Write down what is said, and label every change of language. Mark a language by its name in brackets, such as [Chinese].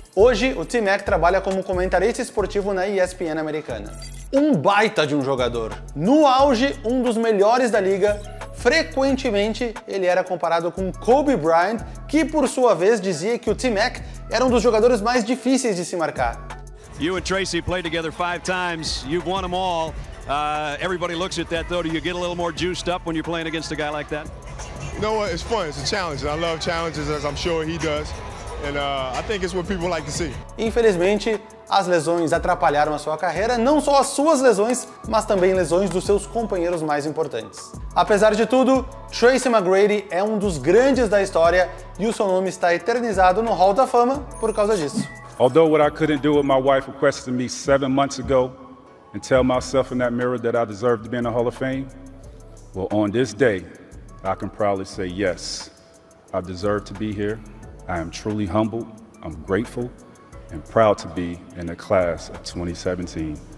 [Portuguese] Hoje, o T-Mac trabalha como comentarista esportivo na ESPN americana. Um baita de um jogador. No auge, um dos melhores da liga. Frequentemente, ele era comparado com Kobe Bryant, que por sua vez dizia que o T-Mac era um dos jogadores mais difíceis de se marcar. [English] You and Tracy played together 5 times. You've won them all. Everybody looks at that though. Do you get a little more juiced up when you're playing against a guy like that? You know what? It's fun. It's a challenge. I love challenges, as I'm sure he does. And I think it's what people like to see. [Portuguese] Infelizmente, as lesões atrapalharam a sua carreira, não só as suas lesões, mas também lesões dos seus companheiros mais importantes. Apesar de tudo, Tracy McGrady é um dos grandes da história e o seu nome está eternizado no Hall da Fama por causa disso. [English] Although what I couldn't do with my wife requested me 7 months ago and tell myself in that mirror that I deserve to be in the Hall of Fame, well, on this day, I can proudly say yes, I deserve to be here. I am truly humbled, I'm grateful, and proud to be in the class of 2017.